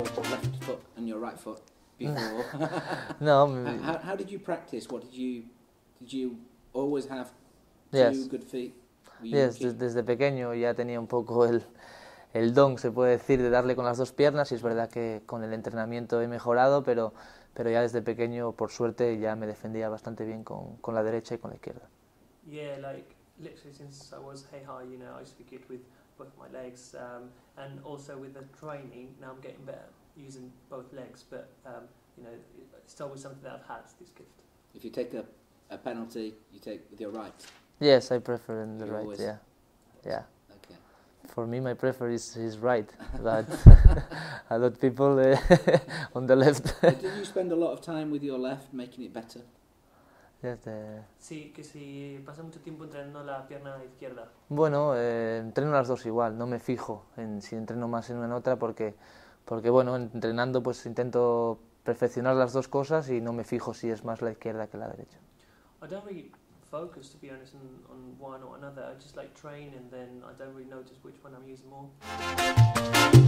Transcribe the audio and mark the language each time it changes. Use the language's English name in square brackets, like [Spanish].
[English] Left foot and your right foot before. No. How did you practice? What did you always have two good feet? [Spanish] Yes, desde pequeño ya tenía un poco el don, se puede decir, de darle con las dos piernas, y es verdad que con el entrenamiento he mejorado, pero ya desde pequeño, por suerte, ya me defendía bastante bien con la derecha y con la izquierda. [English] Yeah, like, literally since I was hey high, you know, I used to be good with both my legs, and also with the training, now I'm getting better using both legs, but, you know, it's always something that I've had, this gift. If you take a penalty, you take with your right? Yes, I prefer in the right, yeah. For me, my preference is right, but a lot of people on the left. Did you spend a lot of time with your left, making it better? Yes. [Spanish] Sí, que si pasa mucho tiempo entrenando la pierna izquierda. Bueno, entreno las dos igual. No me fijo en si entreno más en una en otra, porque bueno, entrenando pues intento perfeccionar las dos cosas y no me fijo si es más la izquierda que la derecha. [English] Focus, to be honest, on one or another. I just like train, and then I don't really notice which one I'm using more.